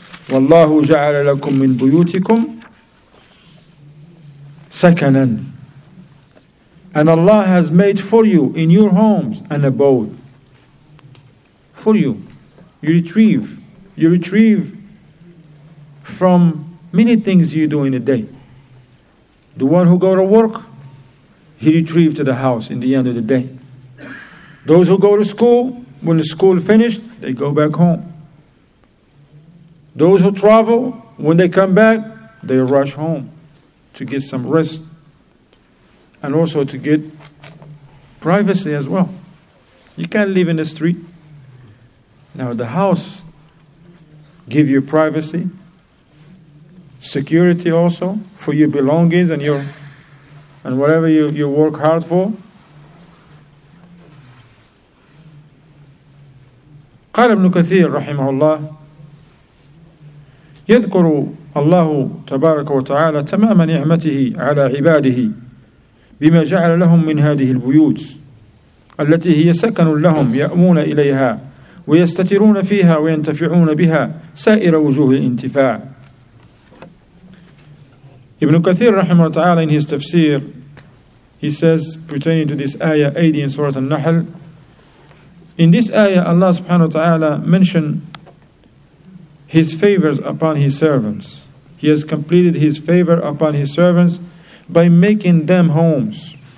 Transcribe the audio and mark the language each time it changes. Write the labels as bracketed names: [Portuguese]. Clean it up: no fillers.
[Arabic] والله جعل لكم من بيوتكم سكنا. [English] And Allah has made for you in your homes an abode. For you. You retrieve. You retrieve from many things you do in a day. The one who go to work, he retrieves to the house in the end of the day. Those who go to school, when the school finished, they go back home. Those who travel, when they come back, they rush home to get some rest. And also to get privacy as well. You can't live in the street. Now the house give you privacy, security also for your belongings and your and whatever you work hard for. [Arabic] قال ابن كثير رحمه الله يذكر الله تبارك وتعالى تمام نعمته على عباده بما جعل لهم من هذه البيوت التي هي سكن لهم يأمون إليها ويستترون فيها وينتفعون بها سائر وجوه الانتفاع. [English] Ibn Kathir رحمه الله تعالى in his tafsir, he says, pertaining to this ayah 80 in Surah Al-Nahl, in this ayah Allah subhanahu wa ta'ala mentioned his favors upon his servants. He has completed his favor upon his servants by making them homes.